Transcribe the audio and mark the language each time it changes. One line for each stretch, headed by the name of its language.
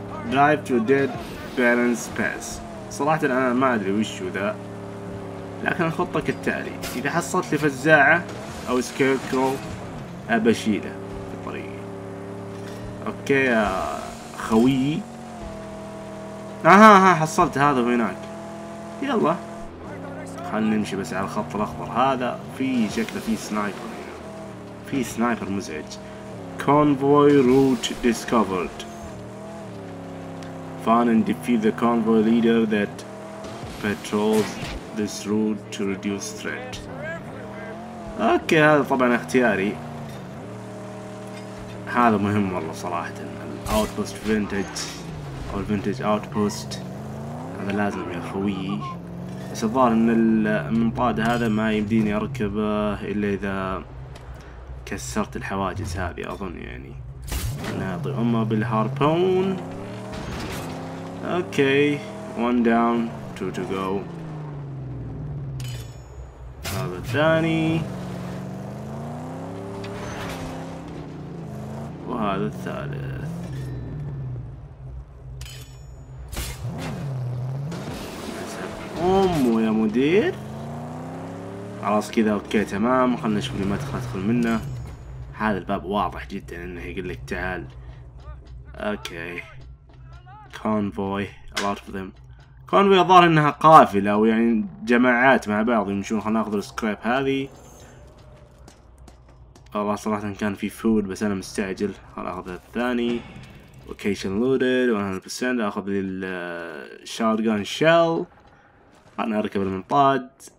English: Drive to dead burns pass.
Arabic: صراحة أنا ما أدري وش هو ذا، لكن الخطة كالتالي: إذا حصلت لي فزاعة أو سكيركرو أبى أشيله في طريقي. أوكي يا خويي، ها حصلت هذا هناك. يلا خلنا نمشي بس على الخط الأخضر هذا. في شكله في سنايبر هنا، في سنايبر مزعج.
English: Convoy route discovered. Find and defeat the convoy leader that patrols this route to reduce threat.
Arabic: Okay, هذا طبعا اختياري. هذا مهم والله صراحة.
English: Outpost vintage.
Arabic: او الفنتج اوت بوست هذا لازم يا خويي. بس الظاهر ان المنطاد هذا ما يمديني اركبه الا اذا كسرت الحواجز هذه اظن يعني. نعطي امه بالهاربون.
English: Okay one down two to go.
Arabic: هذا الثاني وهذا الثالث. امه يا مدير خلاص كذا. اوكي تمام خلنا نشوف لي ما تدخل منه. هذا الباب واضح جدا انه يقول لك تعال.
English: Okay convoy a lot of them.
Arabic: كونفوي الظاهر انها قافلة او يعني جماعات مع بعض يمشون. خلنا ناخذ السكريب هذي. والله صراحة كان في فود بس انا مستعجل. خلنا ناخذ الثاني
English: location loaded 100%.
Arabic: اخذ لي الشوتجن شيل. خلنا اركب المنطاد.